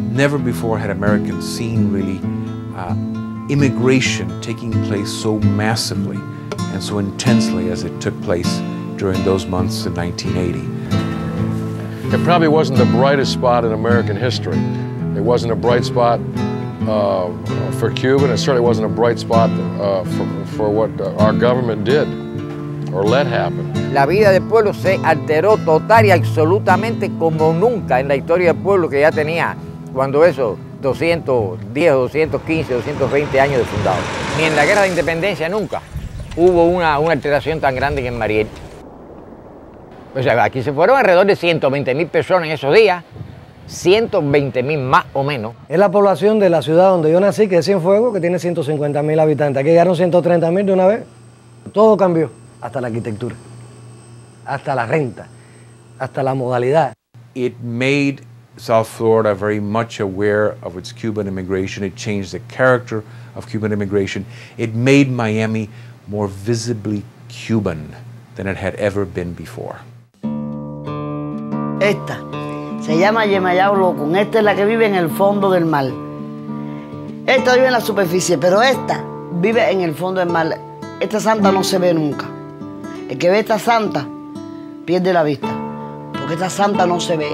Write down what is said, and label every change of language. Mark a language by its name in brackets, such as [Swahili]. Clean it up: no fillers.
[English] Never before had Americans seen really immigration taking place so massively and so intensely as it took place during those months in 1980. It probably wasn't the brightest spot in American history. It wasn't a bright spot for Cuba, and it certainly wasn't a bright spot for what our government did or let happen. [Spanish] La vida del pueblo se alteró total y absolutamente como nunca en la historia del pueblo, que ya tenía, cuando eso, 210, 215, 220 años de fundado. Ni en la Guerra de Independencia nunca hubo una alteración tan grande que en Mariel. O sea, aquí se fueron alrededor de 120.000 personas en esos días. 120.000 más o menos. Es la población de la ciudad donde yo nací, que es Cienfuegos, que tiene 150.000 habitantes. Aquí llegaron 130.000 de una vez. Todo cambió, hasta la arquitectura, hasta la renta, hasta la modalidad. [English] It made South Florida very much aware of its Cuban immigration. It changed the character of Cuban immigration. It made Miami more visibly Cuban than it had ever been before. [Spanish] Esta se llama Yemayao Locum. Esta es la que vive en el fondo del mar. Esta vive en la superficie, pero esta vive en el fondo del mar. Esta santa no se ve nunca. El que ve esta santa pierde la vista, porque esta santa no se ve.